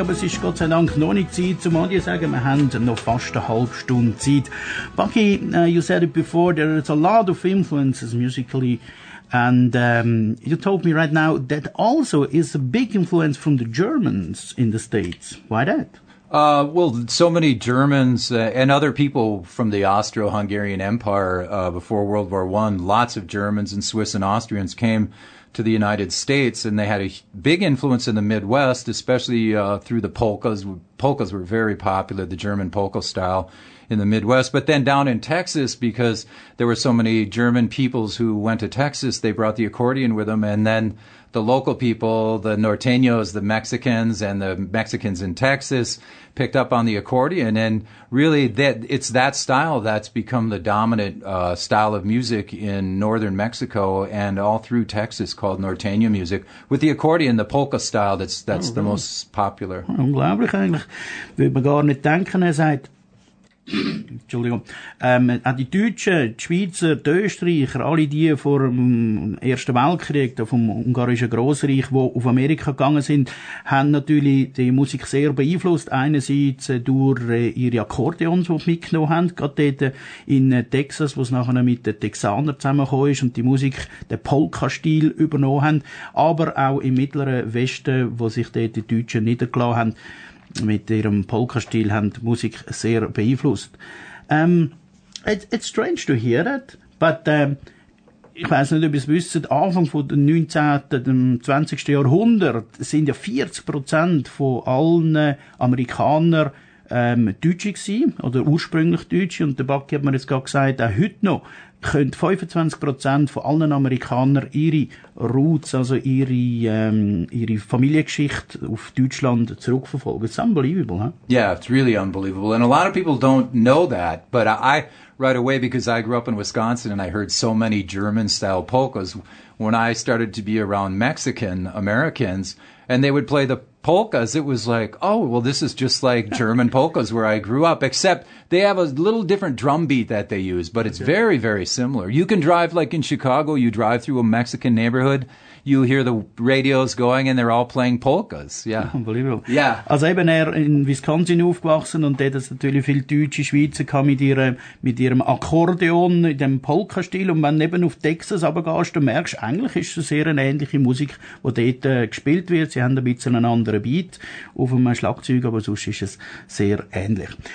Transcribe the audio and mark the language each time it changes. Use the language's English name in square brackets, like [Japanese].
[German] Aber es ist Gott sei Dank noch nicht Zeit, zum Adieu sagen. Wir haben noch fast eine halbe Stunde Zeit. [English] Bucky, you said it before, there is a lot of influences musically. And you told me right now that also is a big influence from the Germans in the States. Why that? Well, so many Germans and other people from the Austro-Hungarian Empire before World War I, lots of Germans and Swiss and Austrians came to the United States, and they had a big influence in the Midwest, especially through the polkas. Polkas were very popular, the German polka style in the Midwest. But then down in Texas, because there were so many German peoples who went to Texas, they brought the accordion with them, and then the local people, the Norteños, the Mexicans, and the Mexicans in Texas picked up on the accordion. And really, that it's that style that's become the dominant style of music in northern Mexico and all through Texas, called Norteño music, with the accordion, the polka style, that's the most popular. [German] Unglaublich, eigentlich. Würde man gar nicht denken, er sagt. Entschuldigung. Auch die Deutschen, die Schweizer, die Österreicher, alle die vor dem Ersten Weltkrieg, vom ungarischen Grossreich, die auf Amerika gegangen sind, haben natürlich die Musik sehr beeinflusst. Einerseits durch ihre Akkordeons, die sie mitgenommen haben, gerade dort in Texas, wo es nachher mit den Texanern zusammengekommen ist und die Musik den Polka-Stil übernommen haben. Aber auch im mittleren Westen, wo sich dort die Deutschen niedergelassen haben, mit ihrem Polka-Stil haben die Musik sehr beeinflusst. [English] It's strange to hear that, but [German] ich weiß nicht, ob ihr es wisst, Anfang von dem 19., dem 20. Jahrhundert sind ja 40% von allen Amerikanern Deutsche gewesen, oder ursprünglich Deutsche, und der Bucky hat mir jetzt gerade gesagt, auch heute noch können 25% von allen Amerikanern ihre Roots, also ihre Familiengeschichte auf Deutschland zurückverfolgen. [English] It's unbelievable, huh? Yeah, it's really unbelievable. And a lot of people don't know that, but I right away, because I grew up in Wisconsin and I heard so many German-style polkas, when I started to be around Mexican-Americans, and they would play the polkas, it was like, oh, well, this is just like German polkas where I grew up, except they have a little different drum beat that they use, but it's very, very similar. You can drive, like in Chicago, you drive through a Mexican neighborhood, you hear the radios going, and they're all playing polkas. Yeah. Unbelievable. Yeah. [German] Also eben er in Wisconsin aufgewachsen und der das natürlich viel deutsche Schweizer kam mit ihrem Akkordeon, in dem Polka-Stil. Und wenn du eben auf Texas runtergehst, dann merkst du, eigentlich ist es eine sehr ähnliche Musik, die dort gespielt wird. Sie haben ein bisschen einen anderen Beat auf einem Schlagzeug, aber sonst ist es sehr ähnlich.